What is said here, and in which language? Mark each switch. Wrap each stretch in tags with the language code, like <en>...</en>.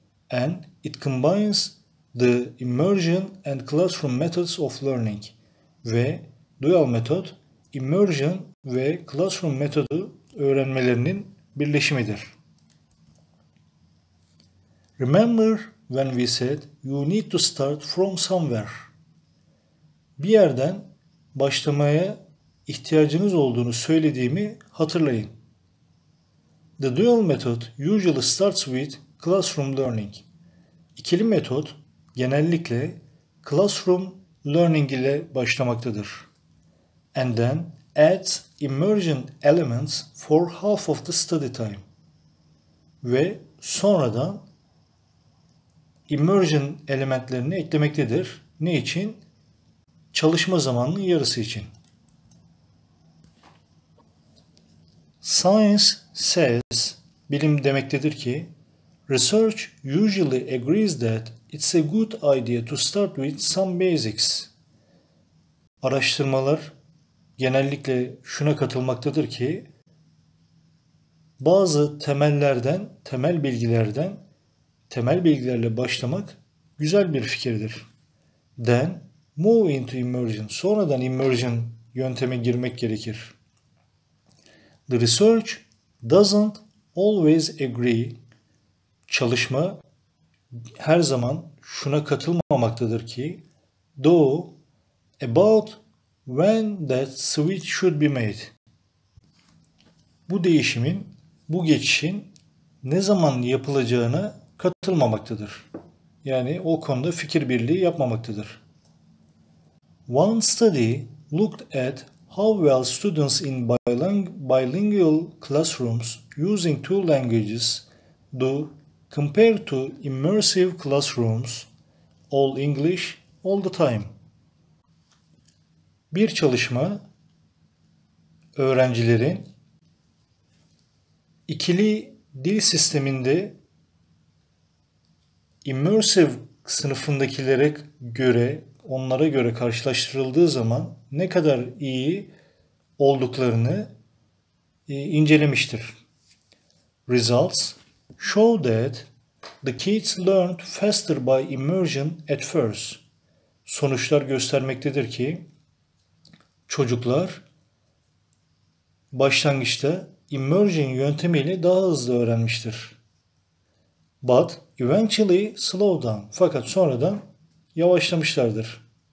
<en>And it combines the immersion and classroom methods of learning.</en> <tr>Ve dual metot, immersion ve classroom metodu öğrenmelerinin birleşimidir.</tr> <en>Remember when we said you need to start from somewhere.</en> <tr>Bir yerden başlamaya ihtiyacınız olduğunu söylediğimi hatırlayın.</tr> <en>The dual method usually starts with classroom learning.</en> <tr>İkili metot genellikle classroom learning ile başlamaktadır.</tr> <en>And then adds immersion elements for half of the study time.</en> <tr>Ve sonradan immersion elementlerini eklemektedir. Ne için? Çalışma zamanının yarısı için.</tr> <en>Science says,</en> <tr>bilim demektedir ki,</tr> <en>research usually agrees that it's a good idea to start with some basics.</en> <tr>Araştırmalar genellikle şuna katılmaktadır ki, bazı temel bilgilerle başlamak güzel bir fikirdir.</tr> <en>Then move into immersion.</en> <tr>Sonradan immersion yönteme girmek gerekir.</tr> <en>The research doesn't always agree.</en> <tr>Çalışma her zaman şuna katılmamaktadır ki,</tr> <en>though about when that switch should be made.</en> <tr>Bu değişimin, bu geçişin ne zaman yapılacağına katılmamaktadır. Yani o konuda fikir birliği yapmamaktadır.</tr> <en>One study looked at How well students in bilingual classrooms using two languages do compared to immersive classrooms all English all the time.</en> <tr>Bir çalışma öğrencileri ikili dil sisteminde immersive sınıfındakilere göre, onlara göre karşılaştırıldığı zaman ne kadar iyi olduklarını incelemiştir.</tr> <en>Results show that the kids learned faster by immersion at first.</en> <tr>Sonuçlar göstermektedir ki çocuklar başlangıçta immersion yöntemiyle daha hızlı öğrenmiştir.</tr> <en>But eventually slow down.</en> <tr>Fakat sonradan yavaşlamışlardır.</tr>